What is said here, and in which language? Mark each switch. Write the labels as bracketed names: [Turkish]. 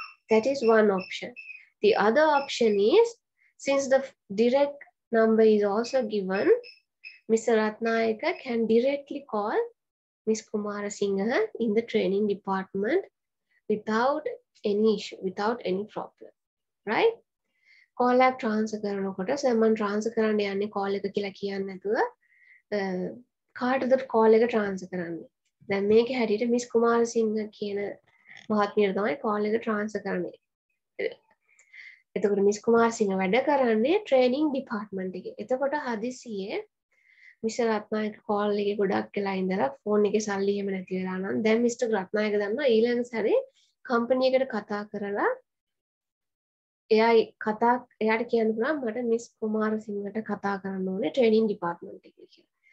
[English] That is one option. The other option is, since the direct number is also given, Mr. Ratnayaka can directly call Ms. Kumarasinghe in the training department without any issue, without any problem, right? [Sinhala] Call app transfer කරනකොට සමන් transfer කරන්න යන්නේ call එක කියලා කියන්නේ නැතුව කාටද call එක transfer කරන්නේ. දැන් මේක හැටියට Ms. Kumarasinghe කියන මහත්මියට තමයි call එක transfer කරන්නේ. එතකොට Ms. Kumarasinghe වැඩ කරන්නේ training department එකේ. එතකොට හදිසියේ Mr. Ratnayaka call එකේ ගොඩක් වෙලා ඉඳලා phone එකේ සල්ලි එහෙම නැති වෙලා නම් දැන් Mr. Ratnayaka දන්නවා ඊළඟ සැරේ company එකට කතා කරලා එයායි කතා එයාට කියන්න පුළුවන් මට Ms. Kumarasinghe කතා කරන්න ඕනේ training department එකේ කියලා.